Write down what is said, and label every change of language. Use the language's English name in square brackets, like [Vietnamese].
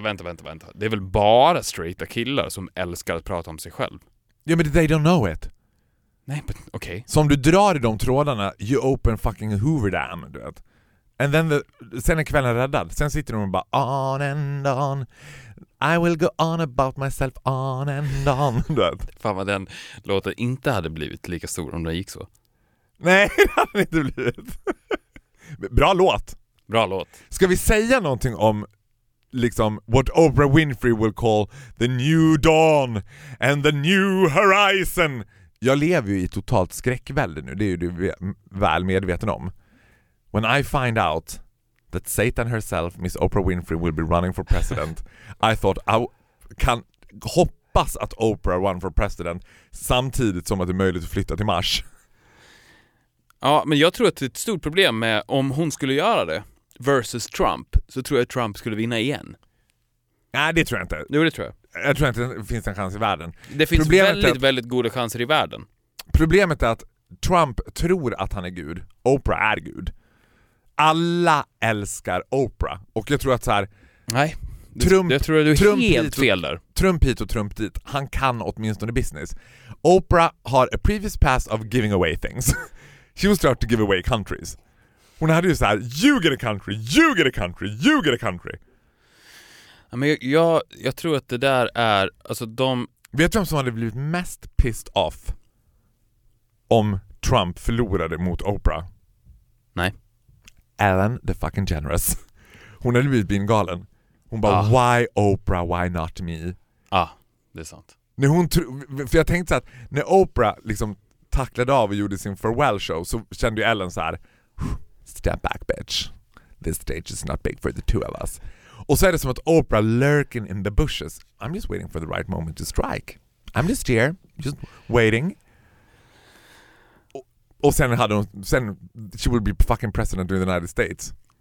[Swedish] Vänta. Det är väl bara straighta killar som älskar att prata om sig själv? Ja, men [English] they don't know it. [Swedish] Nej, men okej. Okay. Så om du drar i de trådarna, [English] you open fucking Hoover Dam, [Swedish] du vet. [English] And then [Swedish] sen är kvällen räddad. Sen sitter de och bara, [English] on and on. I will go on about myself on and on. [Swedish] Fan vad den låten inte hade blivit lika stor om den gick så. Nej, det hade inte blivit. Bra låt. Bra låt. Ska vi säga någonting om liksom [English] what Oprah Winfrey will call the new dawn and the new horizon? [Swedish] Jag lever ju i totalt skräckvälde nu. Det är ju du väl medveten om. [English] When I find out that Satan herself, Miss Oprah Winfrey, will be running for president. I thought, [Swedish] I kan hoppas att Oprah [English] run for president [Swedish] samtidigt som att det är möjligt att flytta till Mars. Ja, men jag tror att det är ett stort problem med om hon skulle göra det versus Trump, så tror jag att Trump skulle vinna igen. Nej, det tror jag inte. Jo, det tror jag. Jag tror inte det finns en chans i världen. Det finns problemet väldigt, att, väldigt goda chanser i världen. Problemet är att Trump tror att han är Gud. Oprah är Gud. Alla älskar Oprah. Och jag tror att så här... Nej, Trump, jag tror att du är Trump helt fel där. Trump hit och Trump dit. Han kan åtminstone business. [English] Oprah har a previous past of giving away things. She was trying to give away countries. [Swedish] Hon hade ju så här, [English] you get a country, [Swedish] you get a country, you get a country. Men jag tror att det där är... Alltså de... Vet du vem som hade blivit mest pissed off om Trump förlorade mot Oprah? Nej. [English] Ellen the fucking generous. [Swedish] Hon hade blivit galen. Hon bara, [English] why Oprah, why not me? [Swedish] Ja, det är sant. När hon för jag tänkte så att när Oprah liksom tacklade av och gjorde sin [English] farewell show, [Swedish] så kände ju Ellen så här: [English] step back bitch, this stage is not big for the two of us. [Swedish] Och så är det som att Oprah [English] lurking in the bushes. I'm just waiting for the right moment to strike. I'm just here, just waiting. [Swedish] Och sen hade hon, sen [English] she would be fucking president of the United States.